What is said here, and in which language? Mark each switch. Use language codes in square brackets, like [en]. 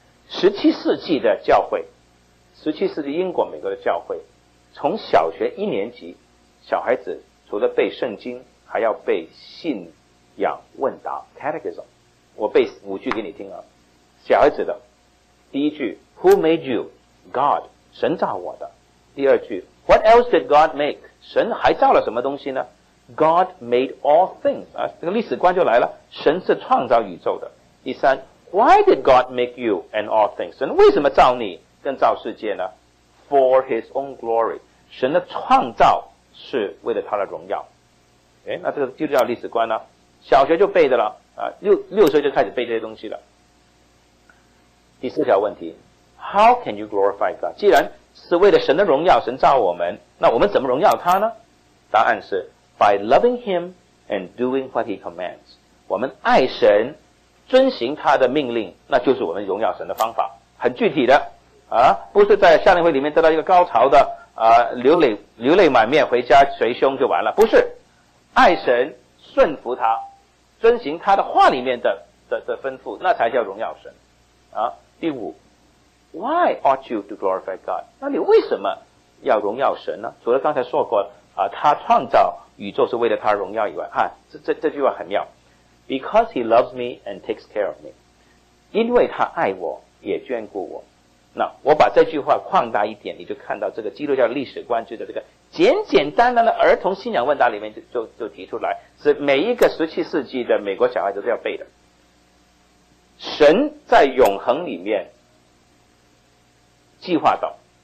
[zh] 17世纪的教会，17世纪英国、美国的教会，从小学一年级，小孩子除了背圣经，还要背信仰问答 catechism。我背五句给你听啊，小孩子的。第一句 [en] ,Who made you? [zh] God, 神造我的。第二句 [en] ,What else did God make? [zh] 神还造了什么东西呢？ [en] God made all things, [zh] 啊，这个历史观就来了，神是创造宇宙的。第三 [en] ,Why did God make you and all things? [zh] 神为什么造你跟造世界呢？ [en] For his own glory, [zh] 神的创造是为了他的荣耀。诶，那这个基督教历史观呢，小学就背的了。啊，六岁就开始背这些东西了。第四条问题 [en] ,How can you glorify God? [zh] 既然是为了神的荣耀，神造我们，那我们怎么荣耀他呢？答案是 [en] ,By loving him and doing what he commands. [zh] 我们爱神，遵行他的命令，那就是我们荣耀神的方法。很具体的啊，不是在夏令会里面得到一个高潮的啊，流泪满面回家捶胸就完了。不是，爱神，顺服他，遵行他的话里面的吩咐，那才叫荣耀神啊。第五 [en] ,Why ought you to glorify God? [zh] 那你为什么要荣耀神呢？除了刚才说过啊，他创造宇宙是为了他荣耀以外啊，这句话很妙。 [en] Because he loves me and takes care of me. [zh] 因为他爱我也眷顾我。那我把这句话扩大一点，你就看到这个基督教历史观就在这个简简单单的儿童信仰问答里面就提出来，是每一个17世纪的美国小孩子都要背的。神在永恒里面计划到，